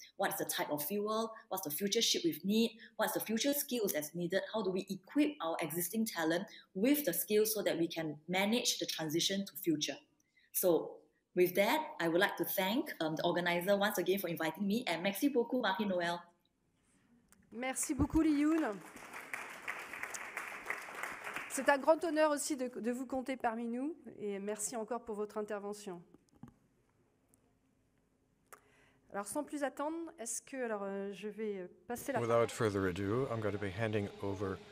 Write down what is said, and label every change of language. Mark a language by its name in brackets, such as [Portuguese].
[English] What's the type of fuel? What's the future ship we need? What's the future skills that's needed? How do we equip our existing talent with the skills so that we can manage the transition to future? So with that, I would like to thank the organizer once again for inviting me, and [French] merci beaucoup, [English] Marie-Noëlle. [French] Merci beaucoup, Liyun. C'est un grand honneur aussi de vous compter parmi nous, et merci encore pour votre intervention. Alors, sans plus attendre, est-ce que alors je vais passer la parole. [English] Without further ado, I'm going to be handing over.